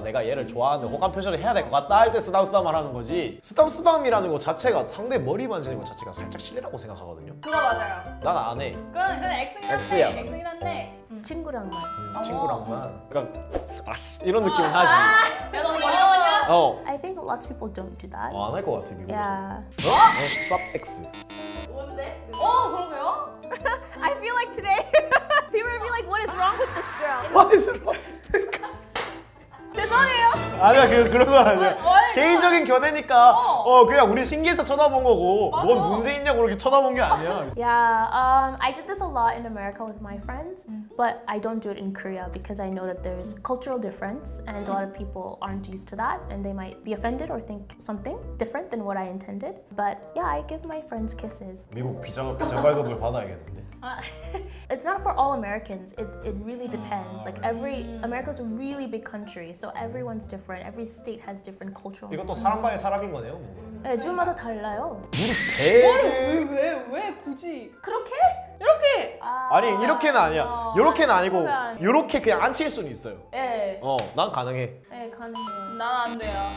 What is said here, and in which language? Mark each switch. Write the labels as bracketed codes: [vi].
[ko] 내가 얘를 좋아하는데 호감 표시를 해야 될 것 같다 할 때 쓰담쓰담을 하는 거지. 쓰담쓰담이라는 거 자체가 상대 머리 만지는 거 자체가 살짝 실례라고 생각하거든요. 그거 맞아요. 난 안 해. 그건 X긴 한데. X야. X긴 한데. 친구랑만. 친구랑만. 그러니까 아씨 이런 느낌을 하지. 야 너 머리 만져? 어. [en] I think lots of people don't do that. [ko] 안 할 것 같아 미국에서. [en] Yeah. [ko] 어? 어? [en] Sub X. [ko] 그런가요? [en] I feel like today people would be like, what is wrong with this girl? What is wrong with this girl? [ko] 죄송해요. 아니야 그런 거 아니야. 개인적인 견해니까 그냥 우리 신기해서 쳐다본 거고 맞아. 뭔 문제 있냐고 그렇게 쳐다본 게 아니야. [en] I did this a lot in America with my friends, but I don't do it in Korea because I know that there's cultural difference and a lot of people aren't used to that and they might be offended or think something different than what I intended. But yeah, I give my friends kisses. [ko] 미국 비자 발급을 받아야겠는데. [en] It's not for all Americans. It really depends. Like every America's a really big country, so everyone's different. Every state has different cultural. [ko] 이것도 사람 by 사람인 거네요. 예, 주마다 달라요. 왜 굳이? 그렇게? 이렇게? 아니 이렇게는 아니야. 이렇게는 아니고 이렇게 그냥 안 칠 수는 있어요. 예. 어, 난 가능해. 예, 가능해요. 난 안 돼요.